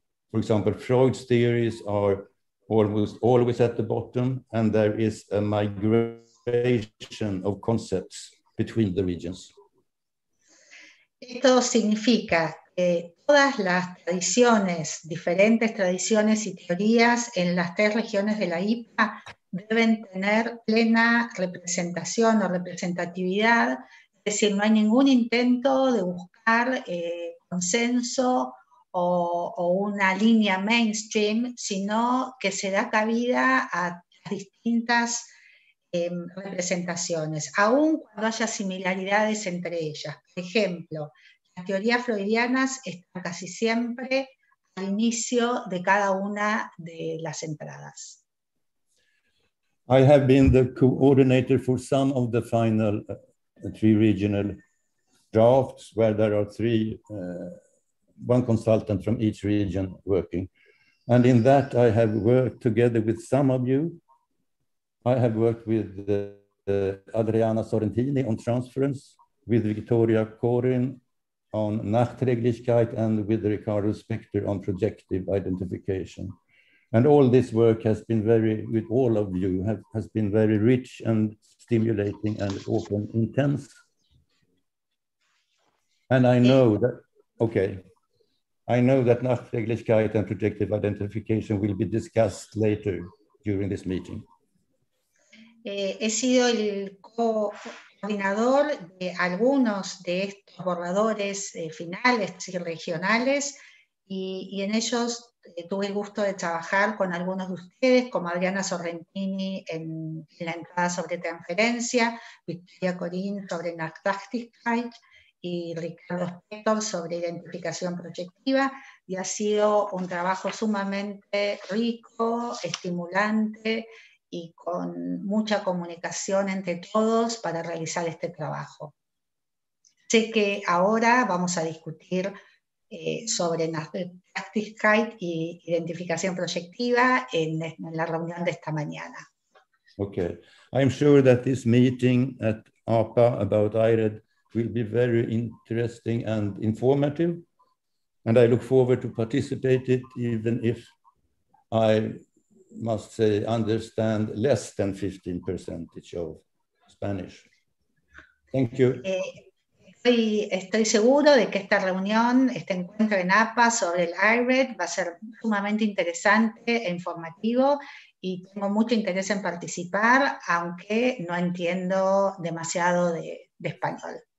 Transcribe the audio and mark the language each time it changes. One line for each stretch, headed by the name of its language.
English: For example, Freud's theories are almost always at the bottom, and there is a migration of concepts between the regions.
Spanish: Esto significa que todas las tradiciones, diferentes tradiciones y teorías en las tres regiones de la IPA deben tener plena representación o representatividad, es decir, no hay ningún intento de buscar consenso o una línea mainstream, sino que se da cabida a distintas representaciones, aun cuando haya similaridades entre ellas. Por ejemplo, las teorías freudianas están casi siempre al inicio de cada una de las entradas.
English: I have been the coordinator for some of the final three regional drafts, where there are three, one consultant from each region working. And in that I have worked together with some of you. I have worked with Adriana Sorrentini on transference, with Victoria Corin on Nachträglichkeit, and with Ricardo Spector on projective identification. And all this work has been very, with all of you, has been very rich and stimulating and often intense. And I know that, okay, I know that Nachträglichkeit and projective identification will be discussed later during this meeting.
Spanish: He sido el coordinador de algunos de estos borradores finales y regionales y en ellos tuve el gusto de trabajar con algunos de ustedes, como Adriana Sorrentini en la entrada sobre transferencia, Victoria Corin sobre Nachträglichkeit y Ricardo Spector sobre identificación proyectiva, y ha sido un trabajo sumamente rico, estimulante, y con mucha comunicación entre todos para realizar este trabajo. Sé que ahora vamos a discutir sobre Nachträglichkeit y identificación proyectiva en la reunión de esta mañana.
English: Okay, I'm sure that this meeting at APA about IRED will be very interesting and informative, and I look forward to participate it, even if I must say, understand less than 15% of Spanish. Thank you.
Spanish: Estoy seguro de que esta reunión, este encuentro en APA sobre el IRED va a ser sumamente interesante e informativo, y tengo mucho interés en participar, aunque no entiendo demasiado de español.